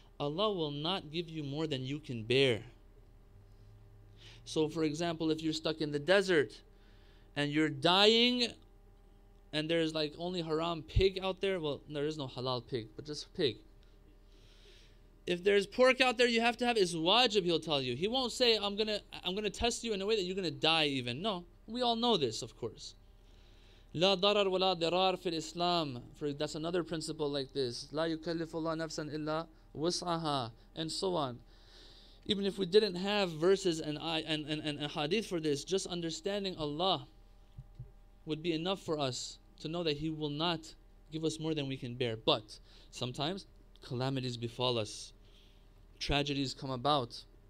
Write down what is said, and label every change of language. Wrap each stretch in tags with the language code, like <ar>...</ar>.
<en>Allah will not give you more than you can bear. So for example, if you're stuck in the desert and you're dying and there's like only haram pig out there, well, there is no halal pig, but just pig. If there's pork out there, you have to have, is wajib, he'll tell you. He won't say, I'm gonna test you in a way that you're gonna die even. No, we all know this, of course.</en> <ar>لا ضرر ولا ضرار في الإسلام.</ar> <en>For that's another principle like this.</en> <ar>لا يكلف الله نفسا إلا وسعها,</ar> <en>and so on. Even if we didn't have verses and hadith for this, just understanding Allah would be enough for us to know that He will not give us more than we can bear. But sometimes calamities befall us, tragedies come about.</en>